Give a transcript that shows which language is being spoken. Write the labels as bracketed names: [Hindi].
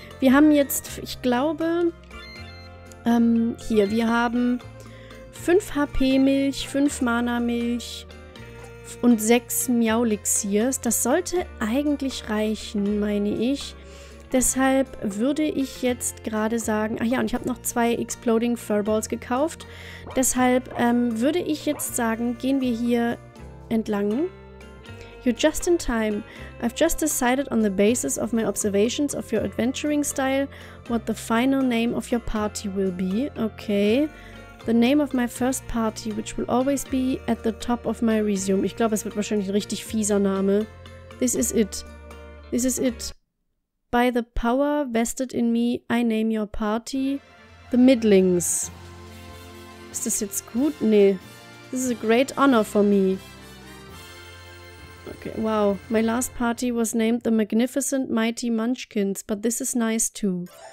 [German] Wir haben jetzt, ich glaube, hier, wir haben 5 HP-Milch, 5 Mana-Milch und 6 Miaulixiers. Das sollte eigentlich reichen, meine ich. Deshalb würde ich jetzt gerade sagen, ach ja, und ich habe noch 2 Exploding Furballs gekauft. Deshalb würde ich jetzt sagen, gehen wir hier entlang. [English] You're just in time. I've just decided on the basis of my observations of your adventuring style what the final name of your party will be. Okay. The name of my first party, which will always be at the top of my resume. [German] Ich glaube, es wird wahrscheinlich ein richtig fieser Name. [English] This is it. This is it. By the power vested in me, I name your party the Midlings. [German] Ist das jetzt gut? Nee. [English] This is a great honor for me. Okay, wow. My last party was named the Magnificent Mighty Munchkins, but this is nice too.